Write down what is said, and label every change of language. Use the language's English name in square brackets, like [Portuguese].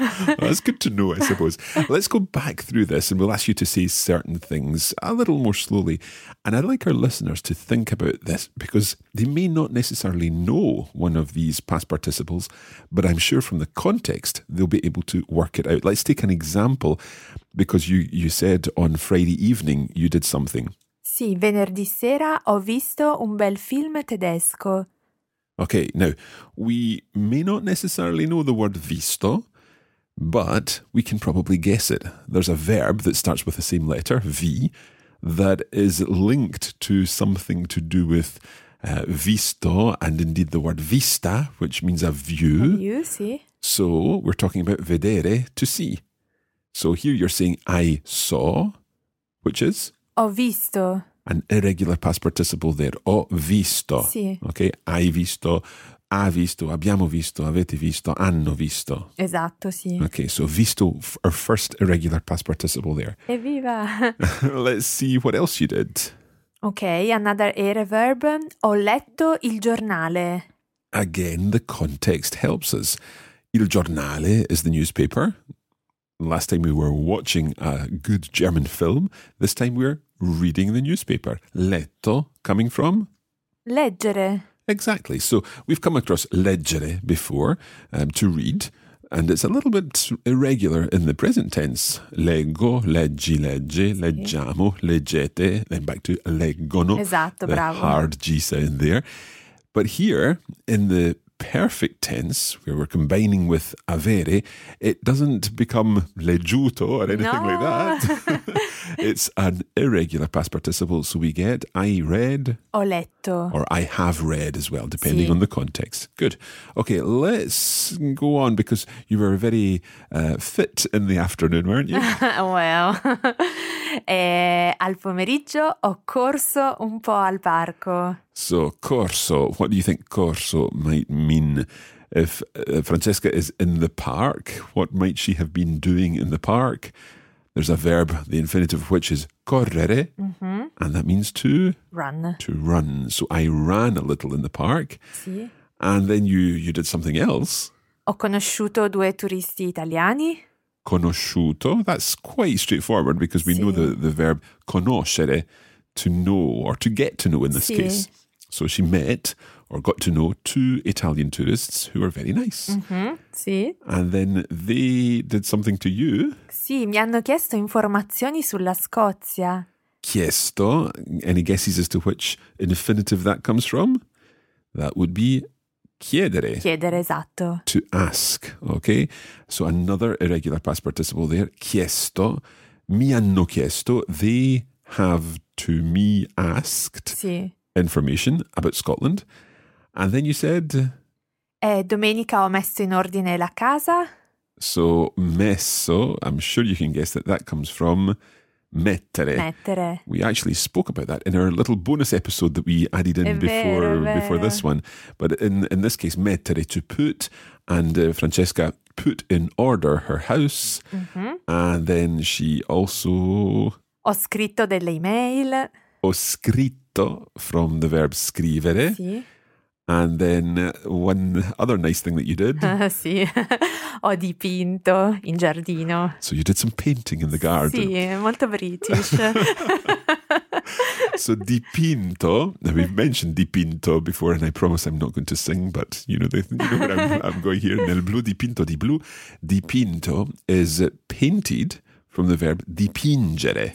[English] Well, that's good to know, I suppose. Let's go back through this and we'll ask you to say certain things a little more slowly. And I'd like our listeners to think about this because they may not necessarily know one of these past participles, but I'm sure from the context, they'll be able to work it out. Let's take an example. Because you said on Friday evening you did something. [Italian] Sì, venerdì sera ho visto un bel film tedesco. [English] Okay, now, we may not necessarily know the word visto, but we can probably guess it. There's a verb that starts with the same letter, V, that is linked to something to do with visto, and indeed the word vista, which means a view. A view, sì. So, we're talking about vedere, to see. So here you're saying I saw, which is? [Italian] Ho visto. [English] An irregular past participle there. [Italian] Ho visto. Sì. Okay, hai visto, ha visto, abbiamo visto, avete visto, hanno visto. Esatto, sì. [English] Okay, so visto, our first irregular past participle there. [Italian] Evviva! [English] Let's see what else you did. Okay, another aere verb. [Italian] Ho letto il giornale. [English] Again, the context helps us. Il giornale is the newspaper. Last time we were watching a good German film, this time we're reading the newspaper. Letto, coming from? [Italian] Leggere. [English] Exactly. So we've come across leggere before, to read, and it's a little bit irregular in the present tense. [Italian] Leggo, leggi, legge, leggiamo, leggete, then back to leggono. Esatto, [English] the [Italian] bravo. [English] Hard G sound there. But here, in the perfect tense, where we're combining with avere, it doesn't become leggiuto or anything [Italian] no. [English] like that. It's an irregular past participle, so we get I read. [Italian] Ho letto. [English] Or I have read as well, depending [Italian] sì. [English] on the context. Good. Okay, let's go on, because you were very fit in the afternoon, weren't you? [Italian] Well, al pomeriggio ho corso un po' al parco. [English] So, corso, what do you think corso might mean? If Francesca is in the park, what might she have been doing in the park? There's a verb, the infinitive of which is correre, mm-hmm. and that means to? Run. To run. So I ran a little in the park. [Italian] Sì. [English] And then you did something else. [Italian] Ho conosciuto due turisti italiani. [English] Conosciuto, that's quite straightforward because we [Italian] sì. [English] know the verb conoscere, to know or to get to know in this [Italian] sì. [English] case. So she met or got to know two Italian tourists who are very nice. [Italian] Mm-hmm, sì. [English] And then they did something to you. [Italian] Sì, mi hanno chiesto informazioni sulla Scozia. chiesto. [English] Any guesses as to which infinitive that comes from? That would be chiedere. [Italian] Chiedere, esatto. [English] To ask, okay? So another irregular past participle there, chiesto. [Italian] Mi hanno chiesto. [English] They have to me asked [Italian] sì. [English] information about Scotland. And then you said... [Italian] Domenica ho messo in ordine la casa. [English] So messo, I'm sure you can guess that that comes from mettere. [Italian] Mettere. [English] We actually spoke about that in our little bonus episode that we added in before this one. But in this case, mettere, to put. And Francesca put in order her house. Mm-hmm. And then she also... [Italian] Ho scritto delle email. Ho scritto, [English] from the verb scrivere. [Italian] Sì. [English] And then one other nice thing that you did. [Italian] Sì, ho dipinto in giardino. [English] So you did some painting in the garden. [Italian] Sì, molto British. [English] So dipinto, now we've mentioned dipinto before and I promise I'm not going to sing, but you know where I'm going here. [Italian] Nel blu dipinto di blu. [English] Dipinto is painted from the verb dipingere.